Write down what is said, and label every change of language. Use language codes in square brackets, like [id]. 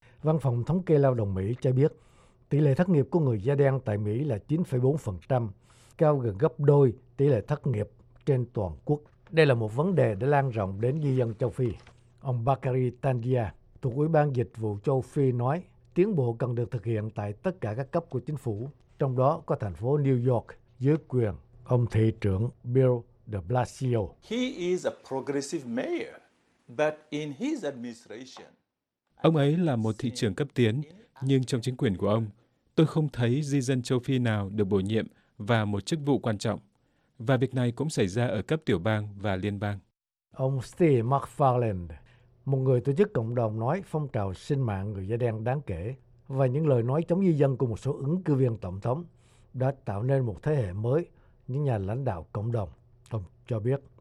[vi] Văn phòng Thống kê Lao động Mỹ cho biết, tỷ lệ thất nghiệp của người da đen tại Mỹ là 9,4%, cao gần gấp đôi tỷ lệ thất nghiệp trên toàn quốc. Đây là một vấn đề đã lan rộng đến di dân châu Phi. Ông Bakary Tandia thuộc Ủy ban Dịch vụ châu Phi nói, tiến bộ cần được thực hiện tại tất cả các cấp của chính phủ, trong đó có thành phố New York dưới quyền ông thị trưởng Bill de Blasio. [en] He is a progressive mayor, but in his administration. [vi] Ông ấy là một thị trưởng cấp tiến, nhưng trong chính quyền của ông, tôi không thấy di dân châu Phi nào được bổ nhiệm vào một chức vụ quan trọng. Và việc này cũng xảy ra ở cấp tiểu bang và liên bang. Ông Steve McFarland, một người tổ chức cộng đồng nói phong trào sinh mạng người da đen đáng kể và những lời nói chống di dân của một số ứng cử viên tổng thống đã tạo nên một thế hệ mới, những nhà lãnh đạo cộng đồng, ông cho biết.